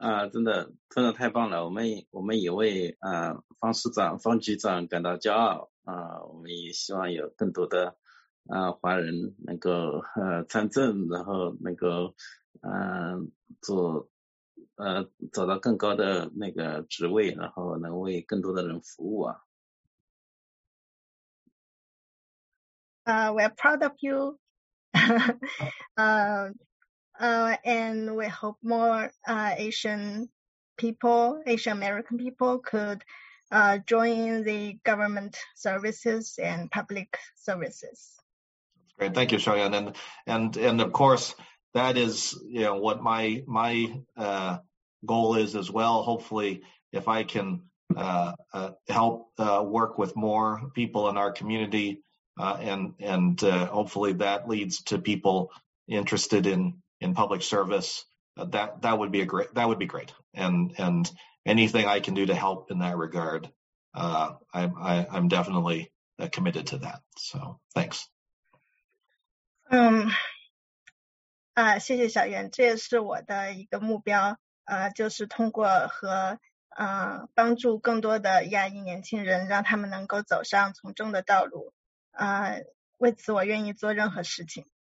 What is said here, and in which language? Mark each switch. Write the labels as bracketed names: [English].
[Chinese] 真的真的太棒了，我们也为方市长方局长感到骄傲我们也希望有更多的华人能够参政，然后能够走到更高的那个职位，然后能为更多的人服务啊。 [English] We're proud of you. And we hope more Asian people, Asian American people could join the government services and public services. That's great. Thank you, Shoyan. And of course, that is, you know, what my goal is as well. Hopefully, if I can help work with more people in our community, and hopefully that leads to people interested in public service, that would be great. And anything I can do to help in that regard, I'm definitely committed to that. So thanks. [Chinese] 谢谢小袁，这也是我的一个目标，就是通过和帮助更多的亚裔年轻人，让他们能够走上从政的道路，为此我愿意做任何事情。